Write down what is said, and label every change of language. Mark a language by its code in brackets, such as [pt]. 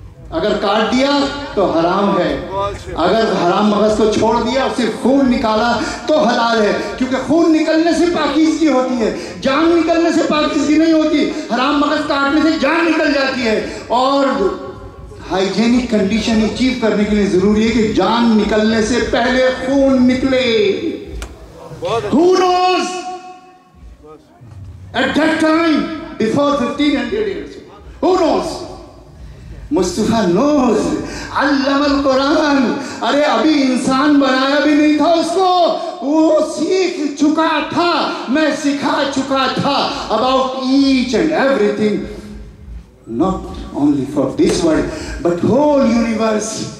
[ur] اگر کاٹ دیا تو حرام ہے, اگر حرام مغز کو چھوڑ دیا اسے خون نکالا تو حلال ہے, کیونکہ خون نکلنے سے پاکیزگی ہوتی ہے, جان نکلنے سے پاکیزگی نہیں ہوتی. حرام مغز کاٹنے سے جان نکل جاتی ہے, اور ہائیجینک کنڈیشن اچیو کرنے کے لیے ضروری ہے کہ جان نکلنے سے پہلے خون نکلے. [en] Who knows? At that time, before 1500 years, who knows? Mustafa knows, [ar] علم القرآن. [ur] ارے ابھی انسان بنایا بھی نہیں تھا اس کو, وہ سیکھ چکا تھا, میں سکھا چکا تھا [en] About each and everything, not only for this world but whole universe.